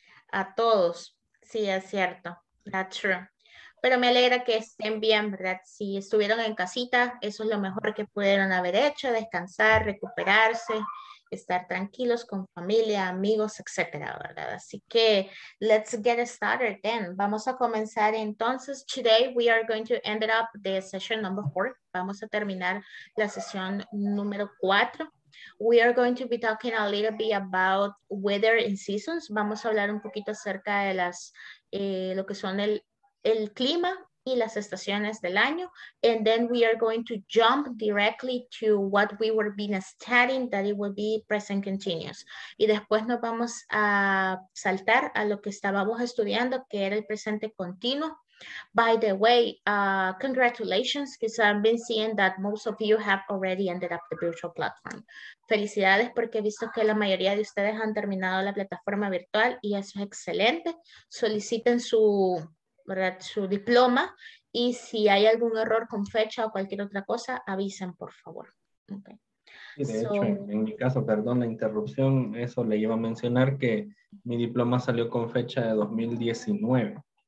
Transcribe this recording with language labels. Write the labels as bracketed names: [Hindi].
[Spanish] A todos. Sí, es cierto. [English] That's true. [Spanish] Pero me alegra que estén bien, ¿verdad? Si estuvieron en casita, eso es lo mejor que pudieron haber hecho. Descansar, recuperarse, estar tranquilos con familia, amigos, etcétera, ¿verdad? Así que, [English] let's get started then. [Spanish] Vamos a comenzar entonces. [English] Today we are going to end up the session number 4. [Spanish] Vamos a terminar la sesión número 4. [English] We are going to be talking a little bit about weather and seasons. [Spanish] Vamos a hablar un poquito acerca de las, lo que son el clima y las estaciones del año. [English] And then we are going to jump directly to what we were being studying, that it will be present continuous. [Spanish] Y después nos vamos a saltar a lo que estábamos estudiando, que era el presente continuo. [English] By the way, congratulations, because I've been seeing that most of you have already ended up the virtual platform. [Spanish] Felicidades, porque he visto que la mayoría de ustedes han terminado la plataforma virtual y eso es excelente. Soliciten su, ¿verdad?, su diploma, y si hay algún error con fecha o cualquier otra cosa, avisen, por favor. Okay. Sí, de hecho, en mi caso, perdón la interrupción, eso le iba a mencionar que mi diploma salió con fecha de 2019.